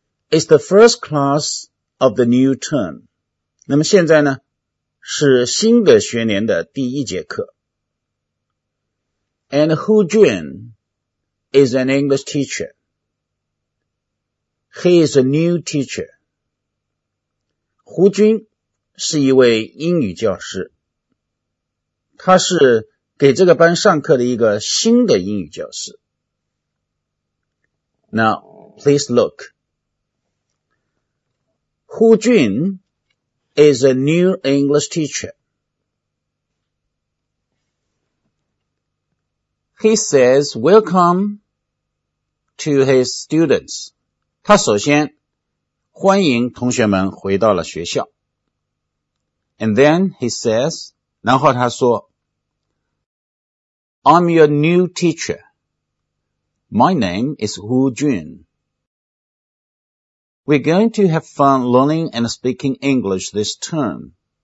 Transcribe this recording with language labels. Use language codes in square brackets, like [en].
[en] It's the first class of the new term. [zh] 那么现在呢是新的学年的第一节课。 [en] And Hu Jun is an English teacher. He is a new teacher. [zh] 胡军是一位英语教师，他是给这个班上课的一个新的英语教师。 [en] Now, please look. 胡军 is a new English teacher. He says welcome to his students. [zh] 他首先欢迎同学们回到了学校。 [en] And then he says, [zh] 然后他说 [en] I'm your new teacher. My name is Hu Jun. We're going to have fun learning and speaking English this term.